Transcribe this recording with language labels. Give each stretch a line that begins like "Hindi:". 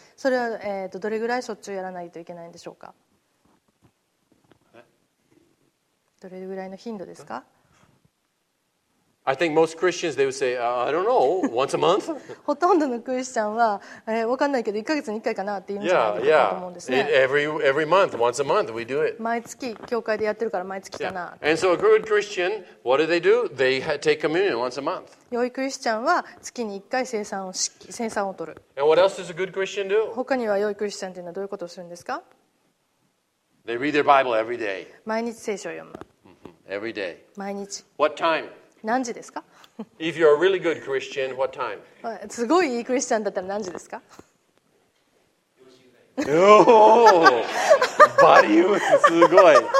Japanese: それは、どれぐらいしょっちゅうやらないといけないんでしょうか。どれぐらいの頻度ですか。
English: I think most Christians they would say, I don't know, once a month.
Japanese: ほとんどのクリスチャンは、わかんないけど1ヶ月に1回かなって言うんじゃないかなと思うんですね。
English: Yeah, yeah. Every month, once a month, we do it.
Japanese: 毎月教会でやってるから毎月かな。
English: Yeah. And so a good Christian, what do? They take communion once a month.
Japanese: 良いクリスチャンは月に1回聖餐を取る。
English: And what else does a good Christian do?
Japanese: 他には良いクリスチャンというのはどういうことをするんですか。
English: They read their Bible every day.
Japanese: 毎日聖書を読む。
English: Every day.
Japanese: 毎日。
English: What time?
Japanese: 何時ですか。
English: If you're a really good Christian, what time?
Japanese: すごいいいクリスチャンだったら何時ですか。
English: Oh, buddy,
Japanese: すごい。